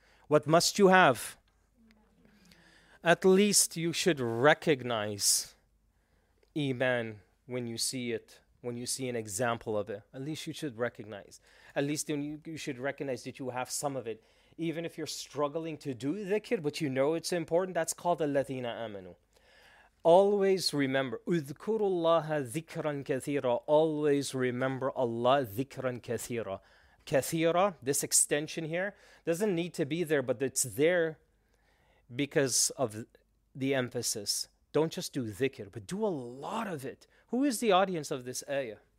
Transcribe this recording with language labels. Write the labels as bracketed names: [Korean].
[English] What must you have? At least you should recognize iman when you see it, when you see an example of it. At least you should recognize. At least you should recognize that you have some of it. Even if you're struggling to do dhikr, but you know it's important, that's called [Arabic] al-ladhina amanu. Always remember, اُذْكُرُ اللَّهَ ذِكْرًا كَثِيرًا. [English] Always remember Allah [Arabic] ذِكْرًا كَثِيرًا. [English] كَثِيرًا, this extension here, doesn't need to be there, but it's there because of the emphasis. Don't just do dhikr, but do a lot of it. Who is the audience of this ayah?